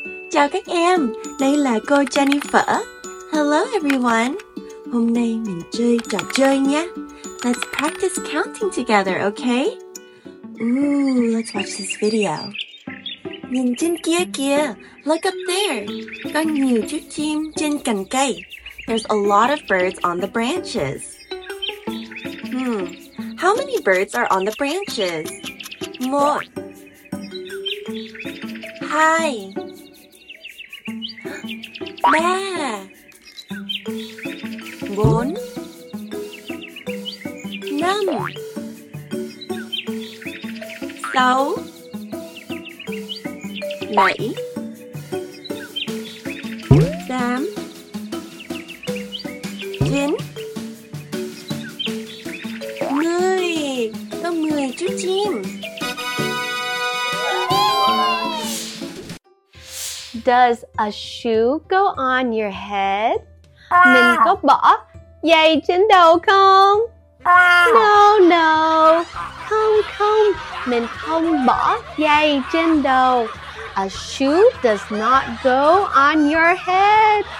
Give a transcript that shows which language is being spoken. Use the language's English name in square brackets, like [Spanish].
[Vietnamese] Chào các em, đây là cô Jennifer. [English] Hello everyone. [Vietnamese] Hôm nay mình chơi trò chơi nhé. [English] Let's practice counting together, okay? Ooh, let's watch this video. [Vietnamese] Nhìn trên kia kìa, [English] look up there. [Vietnamese] Có nhiều chú chim trên cành cây. [English] There's a lot of birds on the branches. How many birds are on the branches? [Vietnamese] Một. Hai. Ba. Bốn. Năm. Sáu. Bảy. Tám. Chín. Mười. Có mười chú chim. [English] Does a shoe go on your head? [Vietnamese] Mình có bỏ giày trên đầu không? [English] No, no. [Vietnamese] Không, không. Mình không bỏ giày trên đầu. [English] A shoe does not go on your head.